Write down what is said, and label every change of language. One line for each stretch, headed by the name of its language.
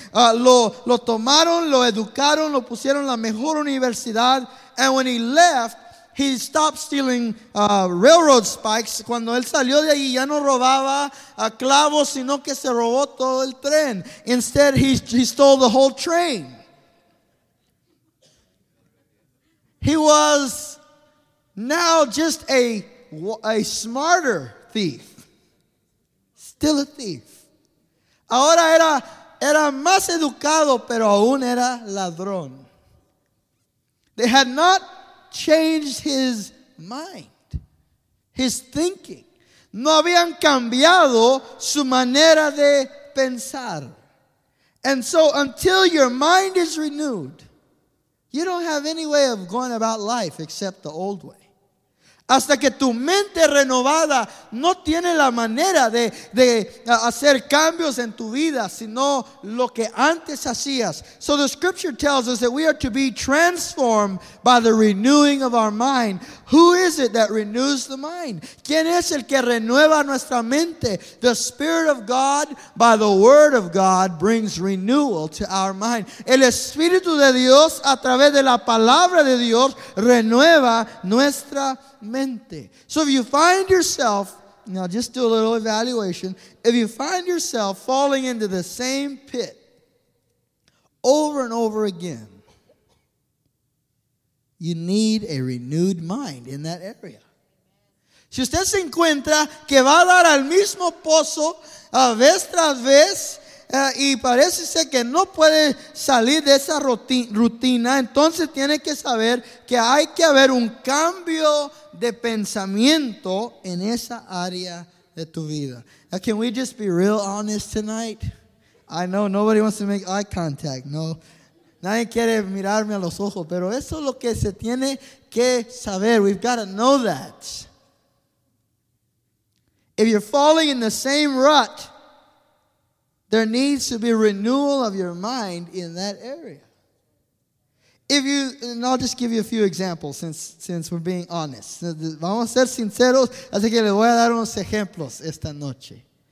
Spanish: Lo tomaron, lo educaron, lo pusieron la mejor universidad.
English: And when he left, he stopped stealing railroad spikes.
Spanish: Cuando él salió de allí, ya no robaba clavos, sino que se robó todo el tren.
English: Instead, he stole the whole train. He was now just a smarter thief, still a thief.
Spanish: Ahora era más educado, pero aún era ladrón.
English: They had not changed his mind, his thinking.
Spanish: No habían cambiado su manera de pensar.
English: And so until your mind is renewed, you don't have any way of going about life except the old way.
Spanish: Hasta que tu mente renovada no tiene la manera de hacer cambios en tu vida, sino lo que antes hacías.
English: So the scripture tells us that we are to be transformed by the renewing of our mind. Who is it that renews the mind?
Spanish: ¿Quién es el que renueva nuestra mente?
English: The Spirit of God by the Word of God brings renewal to our mind.
Spanish: El Espíritu de Dios a través de la Palabra de Dios renueva nuestra mente.
English: So if you find yourself, now just do a little evaluation, if you find yourself falling into the same pit over and over again, you need a renewed mind in that area.
Spanish: Si usted se encuentra que va a dar al mismo pozo vez tras vez y parece ser que no puede salir de esa rutina, entonces tiene que saber que hay que haber un cambio de pensamiento en esa área de tu vida.
English: Now, can we just be real honest tonight? I know nobody wants to make eye contact, no.
Spanish: Nadie quiere mirarme a los ojos, pero eso es lo que se tiene que saber.
English: We've got to know that. If you're falling in the same rut, there needs to be renewal of your mind in that area. If you, and I'll just give you a few examples since we're being honest.
Spanish: Vamos a ser sinceros, así que le voy a dar unos ejemplos esta noche.